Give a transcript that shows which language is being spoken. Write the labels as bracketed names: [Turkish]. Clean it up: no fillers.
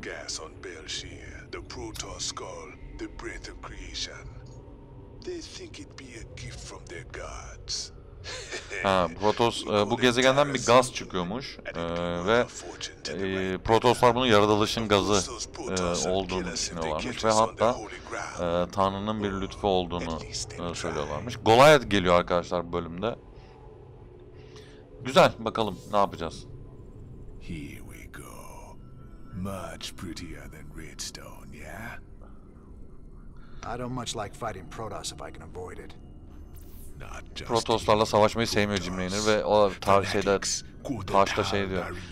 [English] gas on Belshire, the Protoss skull, the breath of creation. They think it be a gift from their gods. [Turkish] Ha, Protoss bu gezegenden bir gaz çıkıyormuş ve Protosslar bunu yaratılışın gazı olduğunu düşünüyorlarmış ve hatta Tanrı'nın bir lütfu olduğunu söylüyorlarmış. Goliath geliyor arkadaşlar bu bölümde. Güzel, bakalım ne yapacağız. [English] Here we go. Much prettier than redstone, yeah? I don't much like fighting Protoss if I can avoid it. [Turkish] Protosslarla savaşmayı sevmiyor Jim Raynor ve o tarihte taşta şey diyor.